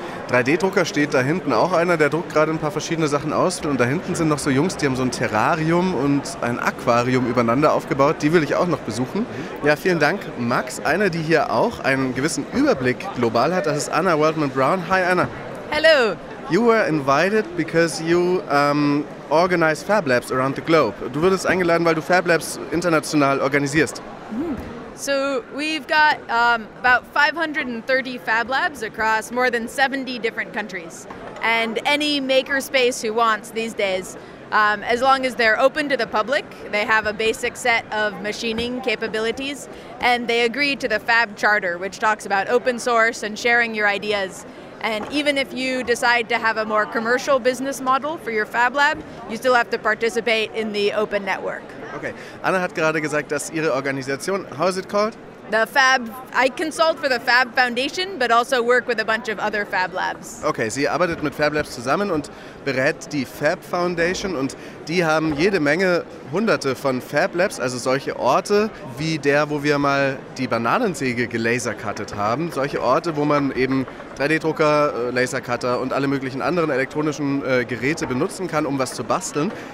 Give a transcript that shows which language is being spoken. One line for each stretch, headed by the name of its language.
German: 3D-Drucker steht da hinten auch einer, der druckt gerade ein paar verschiedene Sachen aus und da hinten sind noch so Jungs, die haben so ein Terrarium und ein Aquarium übereinander aufgebaut, die will ich auch noch besuchen. Ja, vielen Dank, Max. Eine, die hier auch einen gewissen Überblick global hat, das ist Anna Worldman-Brown. Hi, Anna.
English: Hello. You were invited because you organize Fab Labs around the globe.
German: Du wurdest eingeladen, weil du Fab Labs international organisierst.
English: So we've got about 530 Fab Labs across more than 70 different countries. and any makerspace who wants these days. As long as they're open to the public, they have a basic set of machining capabilities, and they agree to the Fab Charter, which talks about open source and sharing your ideas. And even if you decide to have a more commercial business model for your Fab Lab, you still have to participate in the open network.
German: Okay. Anna hat gerade gesagt, dass ihre Organisation,
English: how is it called? The Fab, I consult for the Fab Foundation, but also work with a bunch of other Fab Labs.
German: Okay, sie arbeitet mit Fab Labs zusammen und berät die Fab Foundation, und die haben jede Menge, hunderte von Fab Labs, also solche Orte wie der, wo wir mal die Bananensäge gelasercuttet haben, solche Orte, wo man eben 3D-Drucker, Lasercutter und alle möglichen anderen elektronischen Geräte benutzen kann, um was zu basteln.